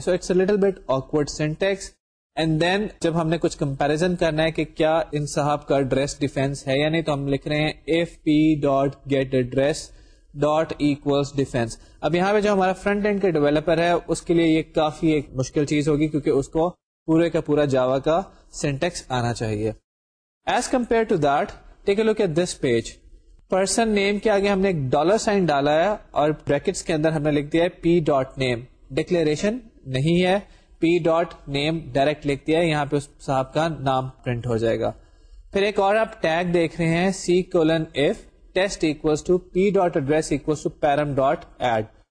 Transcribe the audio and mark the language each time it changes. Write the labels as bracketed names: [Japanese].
[English] So it's a little bit awkward syntax. [Urdu] And then جب ہم نے کچھ کمپیرزن کرنا ہے کہ کیا ان صاحب کا ڈریس ڈیفینس ہے یا نہیں, تو ہم لکھ رہے ہیں F P dot get address dot equals defence. اب یہاں پہ جو ہمارا فرنٹ اینڈ کا ڈیولپر ہے اس کے لیے یہ کافی ایک مشکل چیز ہوگی کیونکہ اس کو پورے کا پورا جاوا کا سینٹیکس آنا چاہیے. [English] As compared to that, take a look at this page. [Urdu] Person name کے آگے ہم نے ایک ڈالر سائن ڈالا ہے اور brackets کے اندر ہم نے لکھ دیا ہے پی ڈاٹ نیم. ڈکلیریشن نہیں ہے, پی ڈاٹ نیم ڈائریکٹ لکھ دیا ہے, یہاں پہ اس صاحب کا نام پرنٹ ہو جائے گا. پھر ایک اور آپ ٹیگ دیکھ رہے ہیں C colon F test equals to P dot address equals to param dot add.